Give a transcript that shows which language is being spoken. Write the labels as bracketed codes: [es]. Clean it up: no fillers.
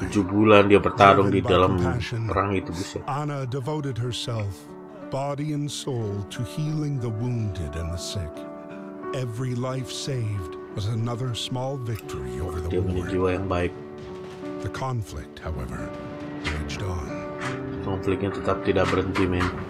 [id] 7 bulan dia bertarung di dalam perang itu bisa. [en] Anna devoted herself, body and soul, to healing the wounded and the sick. Every life saved was another small victory over the war. [id] Dia punya jiwa yang baik. [en] The conflict, however, raged on. [id] Konfliknya tetap tidak berhenti, men.